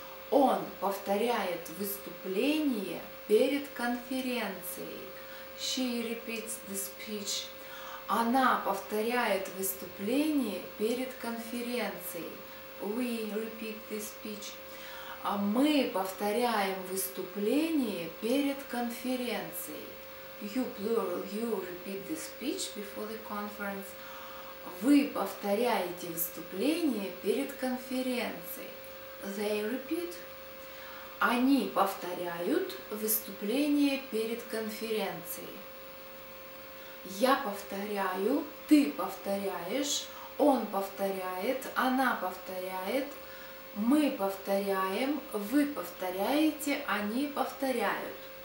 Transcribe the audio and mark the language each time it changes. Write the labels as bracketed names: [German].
[Russian] Он повторяет выступление перед конференцией. [English] She repeats the speech. [Russian] Она повторяет выступление перед конференцией. [English] We repeat the speech. [Russian] А мы повторяем выступление перед конференцией. [English] You plural, you repeat the speech before the conference. [Russian] Вы повторяете выступление перед конференцией. [English] They repeat. [Russian] Они повторяют выступление перед конференцией. Я повторяю, ты повторяешь, он повторяет, она повторяет, мы повторяем, вы повторяете, они повторяют.